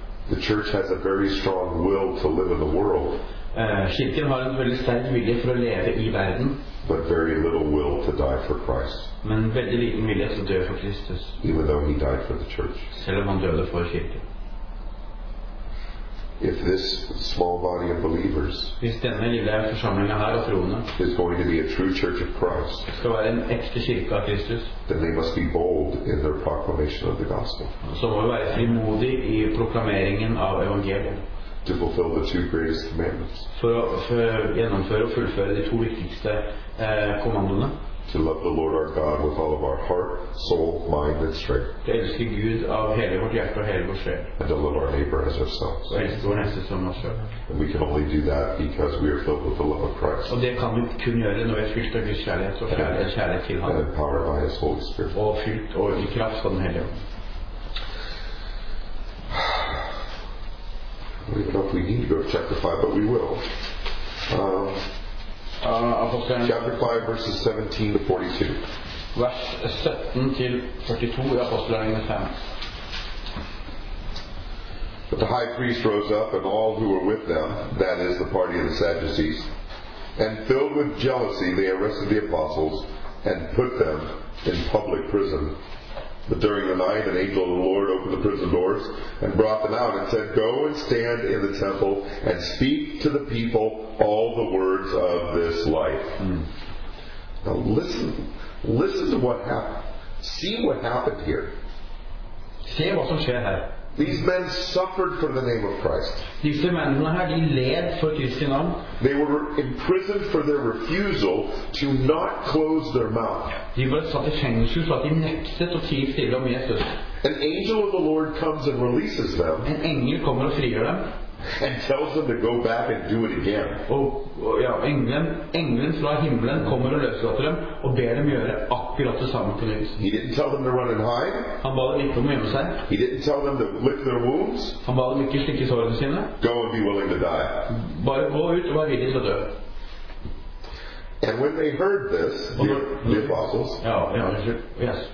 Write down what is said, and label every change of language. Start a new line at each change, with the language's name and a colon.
English: The church has a very strong will to live in the world.
Norwegian: Kirken har en veldig sterk vilje for å leve I verden.
English: But very little will to die for Christ.
Norwegian: Men veldig liten vilje til å dø for Kristus.
English: Even though he died for the church.
Norwegian: Selv om han døde for kirken.
English: If this small body of believers
Norwegian: Hvis denne lille forsamlingen her og troende
English: is going to be a true church of Christ,
Norwegian: skal være en ekte kirke av Kristus,
English: then they must be bold in their proclamation of the gospel.
Norwegian: Så må vi være frimodige I proklameringen av evangeliet.
English: To fulfill the two greatest commandments.
Norwegian: For å gjennomføre og fullføre de to viktigste kommandoene.
English: To love the Lord our God with all of our heart, soul, mind, and strength.
Norwegian: To elske Gud av hele vårt hjerte og hele vår sjel.
English: And to love our neighbor as ourselves.
Norwegian: Og elske vår neste som oss selv.
English: And we can only do that because we are filled with the love of Christ.
Norwegian: Og det kan vi kun gjøre når vi fylt av Guds kjærlighet og kjærlighet til ham.
English: And empowered by His Holy Spirit.
Norwegian: Og fylt og I kraft av den hellige ånd.
English: I don't know if we need to go to chapter 5, but we will. Chapter 5, verses 17 to 42.
Norwegian: Vers 17 til 42 I Apostelgjerningene 5.
English: But the high priest rose up, and all who were with them, that is, the party of the Sadducees, and filled with jealousy, they arrested the apostles and put them in public prison. But during the night, an angel of the Lord opened the prison doors and brought them out and said, Go and stand in the temple and speak to the people all the words of this life. Mm. Now listen. Listen to what happened. See what happened here.
Norwegian: Se hva som skjer her.
English: These men suffered for the name of Christ.
Norwegian: Disse mennene her, de led for Kristi navn.
English: They were imprisoned for their refusal to not close their mouth.
Norwegian: De ble satt I fengsel for at de nektet å tie stille om Jesus.
English: An angel of the Lord comes and releases them.
Norwegian: En engel kommer og frigjør dem.
English: And tells them to go back and do it again.
Norwegian: Englen fra himmelen kommer og løslater dem og ber dem gjøre akkurat det samme til nytt.
English: He didn't tell them to run and hide.
Norwegian: Han ba dem ikke om å gjemme seg.
English: He didn't tell them to lick their wounds.
Norwegian: Han ba dem ikke slikke sårene sine.
English: Go and be willing to die.
Norwegian: Bare gå ut og vær villig til å dø.
English: And when they heard this, the apostles, yes.